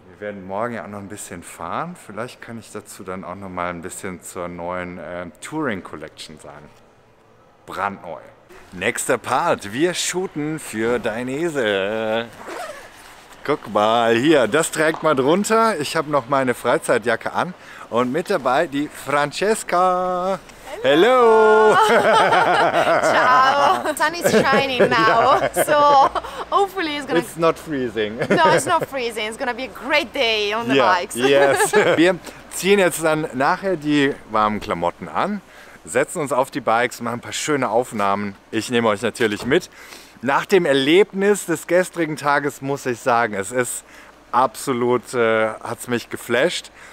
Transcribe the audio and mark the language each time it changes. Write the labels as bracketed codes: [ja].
[de] Wir werden morgen ja auch noch ein bisschen fahren. Vielleicht kann ich dazu dann auch noch mal ein bisschen zur neuen Touring Collection sagen. Brandneu. Nächster Part. Wir shooten für Dainese. Guck mal hier, das trägt man drunter. Ich habe noch meine Freizeitjacke an. Und mit dabei die Francesca. [en] Hello! Ciao! Sun is shining now, yeah. So hopefully it's gonna... It's not freezing. No, it's not freezing. It's gonna be a great day on the bikes. Yes. [de] Wir ziehen jetzt dann nachher die warmen Klamotten an, setzen uns auf die Bikes, machen ein paar schöne Aufnahmen. Ich nehme euch natürlich mit. Nach dem Erlebnis des gestrigen Tages muss ich sagen, es ist absolut, hat es mich geflasht.